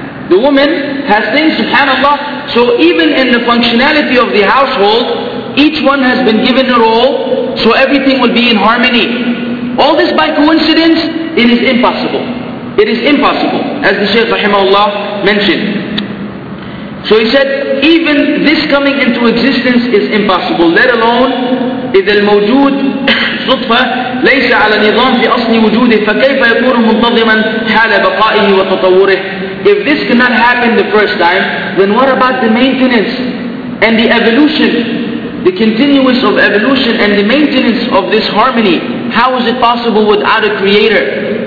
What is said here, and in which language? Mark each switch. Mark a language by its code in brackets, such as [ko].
[en] The woman has things, subhanAllah. So even in the functionality of the household, each one has been given a role, so everything will be in harmony. All this by coincidence, it is impossible. It is impossible, as the Shaykh rahimahullah mentioned. So he said, even this coming into existence is impossible, let alone [ar] إِذَا الْمَوْجُودِ صُدْفَةً لَيْسَ عَلَى نِظَامٍ فِي أَصْلِ وُجُودِهِ فَكَيْفَ يَكُونُ مُنْتَظِمًا حَالَ بَقَائِهِ وَتَطَوُّرِهِ. [en] If this cannot happen the first time, then what about the maintenance and the evolution, the continuous of evolution and the maintenance of this harmony? How is it possible without a creator?